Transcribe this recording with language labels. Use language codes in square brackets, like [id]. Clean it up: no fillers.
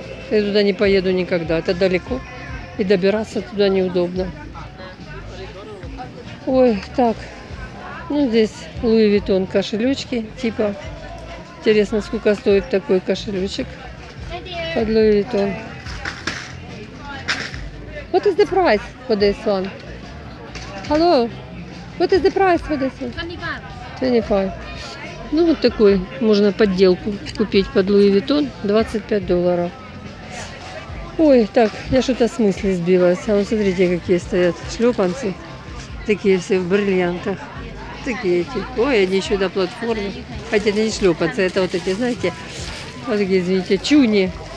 [ru] Я туда не поеду никогда. Это далеко. И добираться туда неудобно. Ой, так. Ну, здесь Луи Виттон кошелечки. Типа. Интересно, сколько стоит такой кошелечек под Луи Виттон. [en] What is the price for this one? Hello? What is the price for this one? 25. [ru] Ну, вот такой можно подделку купить под Луи Виттон. 25 долларов. Ой, так, я что-то с мысли сбилась. А вот смотрите, какие стоят шлепанцы. Такие все в бриллиантах. Такие эти. Ой, они еще до платформы. Хотя это не шлепанцы, это вот эти, знаете, вот такие, извините, чуни.